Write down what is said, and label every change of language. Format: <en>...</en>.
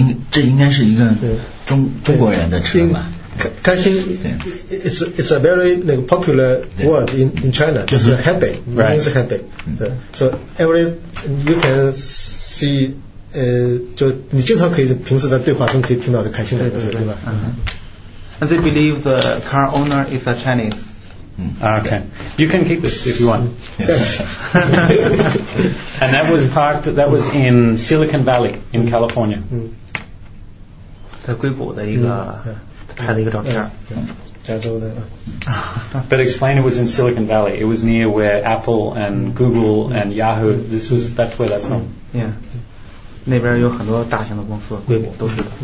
<zh>这应该是一个中国人的车吧。</zh> <en>Caixin, it's a very like, popular word in China. It's a habit. Right.</en> <zh>It's a habit. So every, you can see, 就你经常可以平时的对话中可以听到的Caixin的字，对吧？</zh> <en>And they believe the car owner is a Chinese. Okay. You can keep this if you want. Yes. And that was in Silicon Valley in California.</en> <zh>在硅谷的一个拍的一个照片。加州的。</zh> <en>But explain it was in Silicon Valley. It was near where Apple and Google and Yahoo, that's where that's from. Yeah.</en> <zh>那边有很多大型的公司，硅谷都是。</zh>